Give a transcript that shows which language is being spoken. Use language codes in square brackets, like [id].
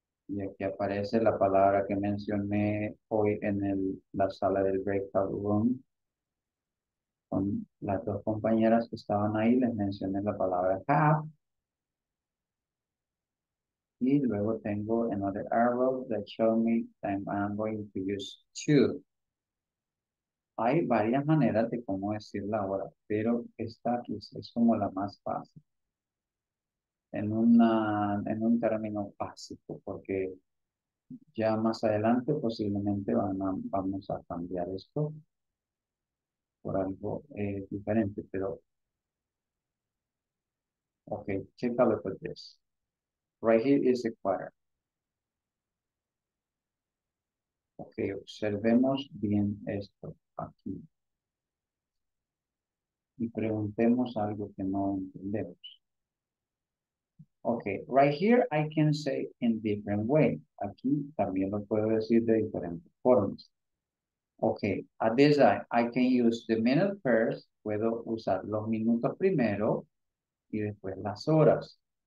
[es] Y aquí aparece la palabra que mencioné hoy en la sala del breakout room. Con las dos compañeras que estaban ahí, les mencioné la palabra half. Y luego tengo [en] another arrow that show me that I'm going to use two. [es] Hay varias maneras de cómo decir la hora, pero esta es como la más fácil. En un término básico, porque ya más adelante posiblemente vamos a cambiar esto por algo diferente, pero... [en] Okay, check a look at this. Right here is a quarter. [es] Okay, observemos bien esto aquí. Y preguntemos algo que no entendemos. [en] Okay, right here I can say in different way. [es] Aquí también lo puedo decir de diferentes formas. [en] Okay, at this time I can use the minute first. [es] Puedo usar los minutos primero y después las horas.